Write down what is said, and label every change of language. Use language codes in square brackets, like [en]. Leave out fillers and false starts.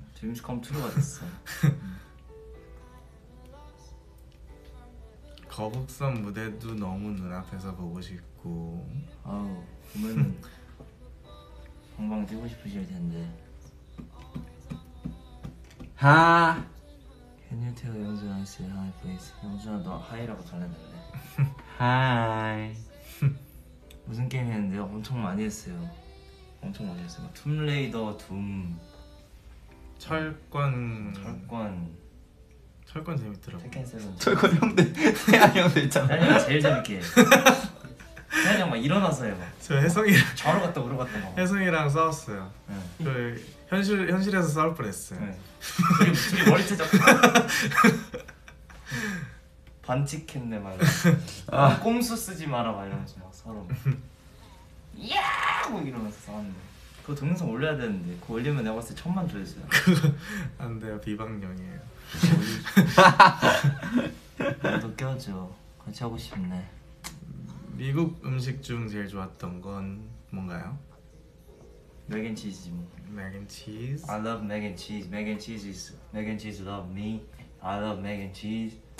[ko] 드림스 컴 투가 됐어. 거북선 무대도 너무 눈앞에서 보고 싶고. 아우 보면은 금방 뛰고 싶으실 텐데. 하. [en] Can you tell 영준아 I say hi please? [ko] 영준아 너 하이라고 전해달래. 하이. 무슨 게임 했는데요? 엄청 많이 했어요. 엄청 많이 했어요. 막 툼레이더, 둠, 철권. 철권. 철권 재밌더라고. 태켄 세븐. 철권 형들. 태현 형들 있잖아. 태현 형 제일 재밌게. 태현 형 막 일어나서 해 막. 저 혜성이랑 좌로 갔다 우로 갔다 막. 혜성이랑 싸웠어요. 네. 그 현실에서 싸울 뻔했어요. 네. 둘이 머리채 잡고. 반칙했네 막. 아. 꼼수 쓰지 마라 막 이러면서 막 서로. 이야! 막 이러면서 싸웠네. 그거 동영상 올려야 되는데 그거 올리면 내가 봤을 때 천만 조회수야. 안 돼요 비방령이에요. 나도 껴줘. 같이 하고 싶네. 미국 음식 중 제일 좋았던 건 뭔가요? 맥앤치즈 뭐. 맥앤치즈? [en] I love mac and cheese. Mac and cheese is mac and cheese love me. I love mac and cheese.